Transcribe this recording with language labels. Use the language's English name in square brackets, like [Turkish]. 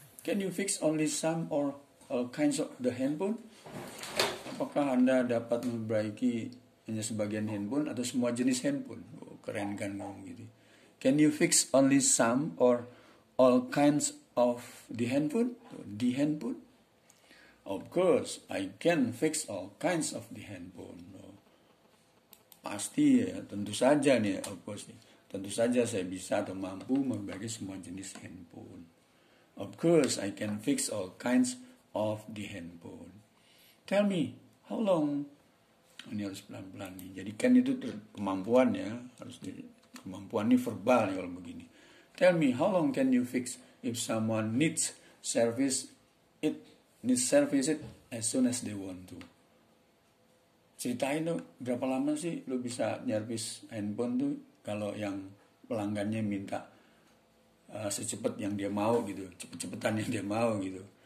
[English] Can you fix only some or all kinds of the handphone? [Indonesian] Apakah Anda dapat memperbaiki hanya sebagian handphone atau semua jenis handphone? Oh, keren kan ngomong gitu. [English] Can you fix only some or all kinds of the handphone? The handphone? Of course, I can fix all kinds of the handphone. [Indonesian] Oh, pasti ya, tentu saja nih, [English] of course. [Indonesian] Tentu saja saya bisa atau mampu memperbaiki semua jenis handphone. [English] Of course, I can fix all kinds of the handphone. Tell me, how long? [Indonesian] Ini harus pelan-pelan nih. Jadi, can itu kemampuan ya. Kemampuan ini verbal ya kalau begini. [English] Tell me, how long can you fix if someone needs service it, needs service it as soon as they want to? [Indonesian] Ceritain tuh, berapa lama sih lu bisa nyervis handphone tuh kalau yang pelanggannya minta secepat yang dia mau gitu, cepet-cepetan yang dia mau gitu.